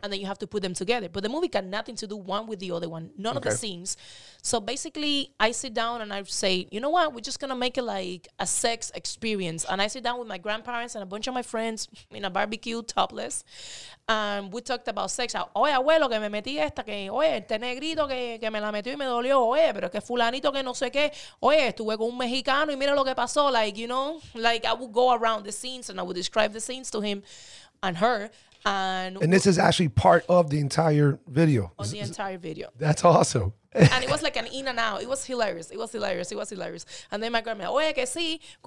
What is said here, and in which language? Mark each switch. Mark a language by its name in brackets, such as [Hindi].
[English] And then you have to put them together. But the movie got nothing to do one with the other one. None of the scenes. So basically, I sit down and I say, you know what? We're just going to make it like a sex experience. And I sit down with my grandparents and a bunch of my friends in a barbecue, topless. And we talked about sex. [Spanish] Oye, abuelo, que me metí esta. Que, oye, este negrito que me la metió y me dolió. Oye, pero que fulanito que no sé qué. Oye, estuve con un mexicano y mira lo que pasó. [English] Like, you know, like I would go around the scenes and I would describe the scenes to him and her. And this is actually part of the entire video. That's awesome. And it was like an in and out. It was hilarious. And then my grandma, [Spanish] oye, que sí.